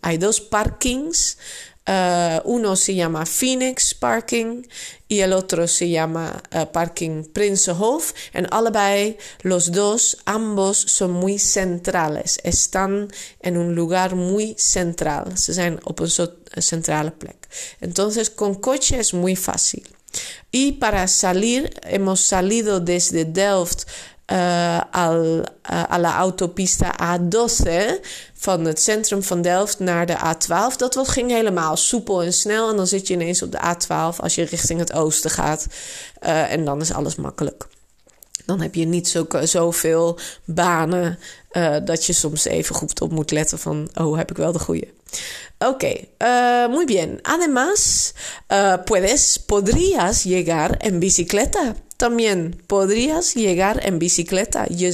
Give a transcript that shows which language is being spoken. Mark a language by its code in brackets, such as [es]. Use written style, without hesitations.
[es] Hay dos parkings. Uno se llama Phoenix Parking y el otro se llama Parking Prinsenhof. [nl] En allebei, [es] ambos son muy centrales. Están en un lugar muy central. [nl] Se zijn op een soort centrale plek. [es] Entonces, con coche es muy fácil. Y para salir, hemos salido desde Delft a la autopista A12 [nl] van het centrum van Delft naar de A12. Dat ging helemaal soepel en snel. En dan zit je ineens op de A12 als je richting het oosten gaat. En dan is alles makkelijk. Dan heb je niet zoveel banen dat je soms even goed op moet letten van, oh, heb ik wel de goede. [es] Okay, muy bien. Además, podrías llegar en bicicleta. También podrías llegar en bicicleta.